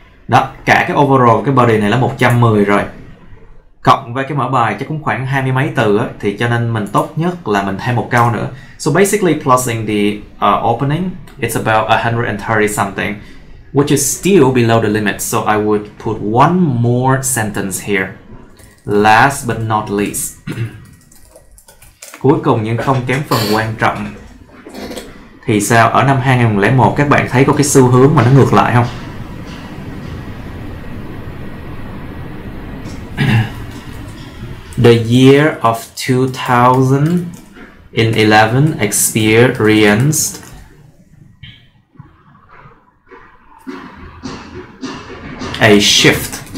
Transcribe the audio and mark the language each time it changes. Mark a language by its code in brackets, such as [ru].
[vi] Đó, cả cái overall cái body này là 110 rồi. Cộng với cái mở bài chắc cũng khoảng 20 mấy từ á, thì cho nên mình tốt nhất là mình thêm một câu nữa. [en] So basically plusing the opening, it's about 130 something, which is still below the limit. So I would put one more sentence here. Last but not least. [vi] Cuối cùng nhưng không kém phần quan trọng. Thì sao ở năm 2001 các bạn thấy có cái xu hướng mà nó ngược lại không? [en] the year of 2011 experienced a shift.